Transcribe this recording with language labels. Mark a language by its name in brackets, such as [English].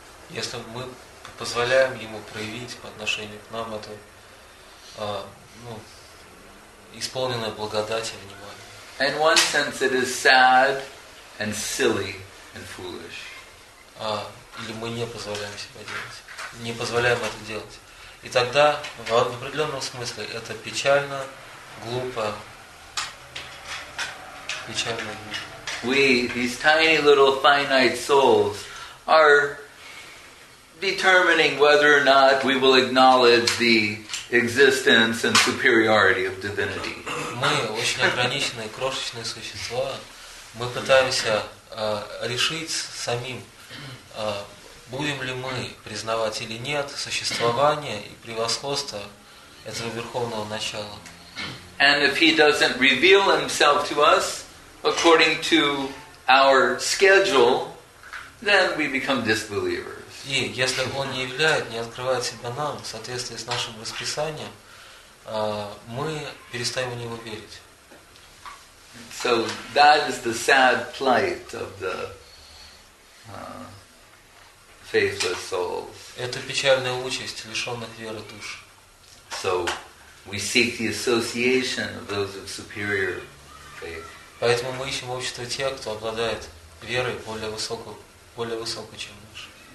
[Russian] Если мы позволяем ему проявить по отношению к нам это исполненное благодать и внимание. [English] In one sense it is sad and silly and foolish. [Russian] Или мы не позволяем себя делать. Не позволяем это делать. И тогда в определенном смысле это печально, глупо. Печально. [English] We, these tiny little finite souls, are determining whether or not we will acknowledge the existence and superiority of divinity. [Russian] Мы очень ограниченные крошечные существа. Мы пытаемся решить самим, будем ли мы признавать или нет существование и превосходство этого верховного начала. [English] And if he doesn't reveal himself to us according to our schedule, then we become disbelievers. [Russian] И если он не являет, не открывает себя нам в соответствии с нашим расписанием, мы перестаем в него верить. [English] So that is the sad plight of the faithless souls. [Russian] Это печальная участь лишённых веры душ. [English] So we seek the association of those of superior faith. [Russian] Поэтому мы ищем общество тех, кто обладает верой более высокой, чем наш.